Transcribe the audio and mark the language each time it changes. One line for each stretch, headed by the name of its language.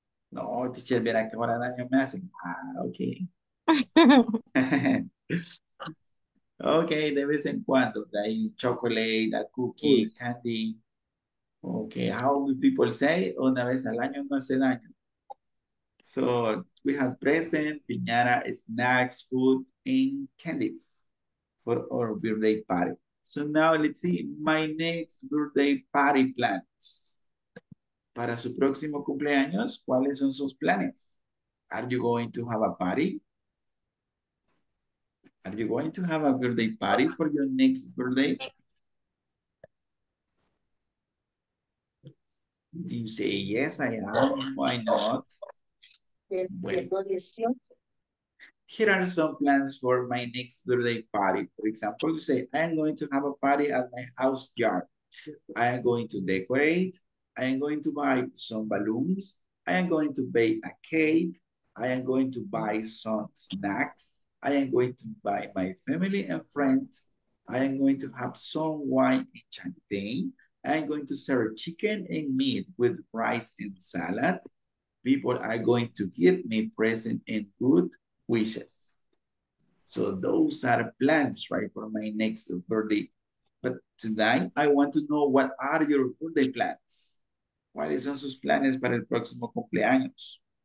Spanish: No, teacher, verá que ahora daño me hacen. Ah, okay. Okay, de vez en cuando, hay chocolate,
English: a cookie, candy. Okay, how do people say,
Spanish: una vez al año no hace daño?
English: So, we have present, piñata, snacks, food, and candies for our birthday party. So now, let's see, my next birthday party plans.
Spanish: Para su próximo cumpleaños, ¿cuáles son sus planes?
English: Are you going to have a party? Are you going to have a birthday party for your next birthday? Do you say yes, I am? Why not?
Spanish: Bueno,
English: here are some plans for my next birthday party. For example, you say, I am going to have a party at my house yard. I am going to decorate. I am going to buy some balloons. I am going to bake a cake. I am going to buy some snacks. I am going to buy my family and friends. I am going to have some wine and champagne. I'm going to serve chicken and meat with rice and salad. People are going to give me presents and good wishes. So those are plans, right, for my next birthday. But tonight, I want to know what are your birthday plans.
Spanish: ¿Cuáles son sus planes para el próximo cumpleaños?